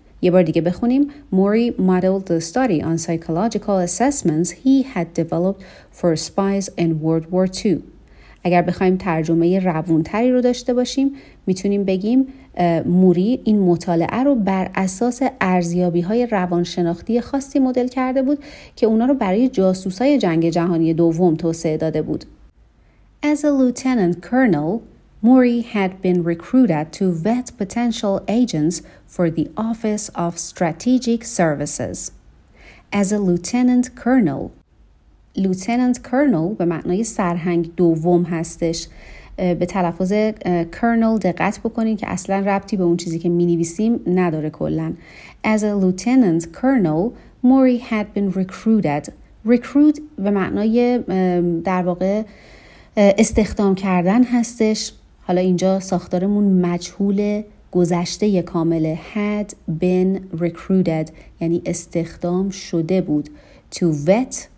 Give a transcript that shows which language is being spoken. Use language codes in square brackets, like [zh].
[fa] یه بار دیگه بخونیم. [en] Murray modeled the study on psychological assessments he had developed for spies in World War II. [fa] اگر بخوایم ترجمه روونتری رو داشته باشیم میتونیم بگیم موری این مطالعه رو بر اساس ارزیابی‌های روانشناختی خاصی مدل کرده بود که اونا رو برای جاسوسای جنگ جهانی دوم توسعه داده بود. [en] As a lieutenant colonel, Murray had been recruited to vet potential agents for the Office of Strategic Services. As a lieutenant colonel. Lieutenant Colonel [fa] به معنای سرهنگ دوم هستش. به تلفظ کرنل دقت بکنین که اصلا ربطی به اون چیزی که می نویسیم نداره کلن. [en] As a lieutenant colonel, Murray had been recruited. [fa] Recruit به معنای در واقع استخدام کردن هستش. حالا اینجا ساختارمون مجهول گذشته کامله. [en] Had been recruited [fa] یعنی استخدام شده بود. [en] To vet.